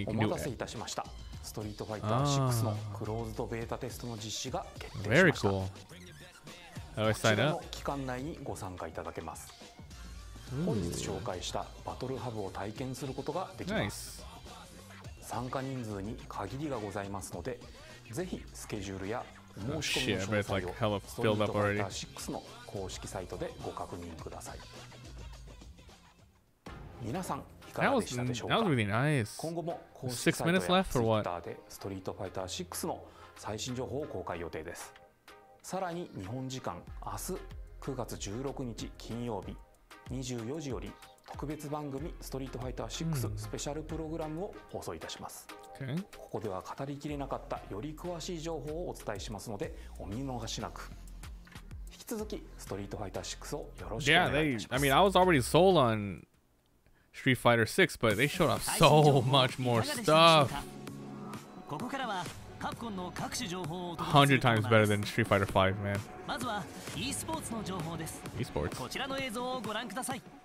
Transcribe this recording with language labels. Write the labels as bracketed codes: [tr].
[en] You can do it. [ja] Street Fighter 6 の Closed beta test の実施が決定しました。 [en] Very cool. How do I sign up? [ja] こちらの期間内にご参加いただけます。本日紹介したバトルハブを体験することができます。 [en] Nice. [ja] 参加人数に限りがございますので、ぜひスケジュールや [en] Oh shit, but it's like hella filled up already. [ja] Street Fighter 6の公式サイトでご確認ください。皆さんいかがでしたでしょうか。 [en] That was really nice. [ja] 今後も公式サイトや Twitter でStreet Fighter 6の最新情報を公開予定です。さらに日本時間明日9月16日金曜日24時より特別番組Street Fighter 6スペシャルプログラムを放送いたします。ここでは語りきれなかったより詳しい情報をお伝えしますのでお見逃しなく。引き続きストリートファイター6をよろしくお願いします。 [en] Yeah, I mean, I was already sold on Street Fighter 6, but they showed off so much more stuff. [ja] ここからはカプコンの各種情報を [en] 100 times better than Street Fighter 5, man. [ja] まずは e スポーツの情報です。 e スポーツ。こちらの映像をご覧ください。